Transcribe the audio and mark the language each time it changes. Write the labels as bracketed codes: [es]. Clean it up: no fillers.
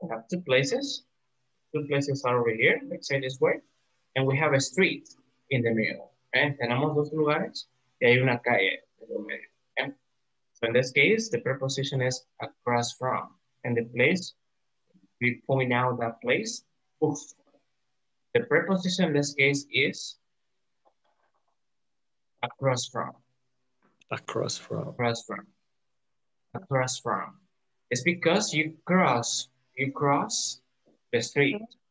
[en] Two places are over here, let's say this way. And we have a street in the middle. Okay? [es] Tenemos dos lugares y hay una calle en el medio. [en] Okay? So in this case, the preposition is across from. And the place, we point out that place. Oof. The preposition in this case is across from. Across from. Across from. Across from. It's because you cross the street.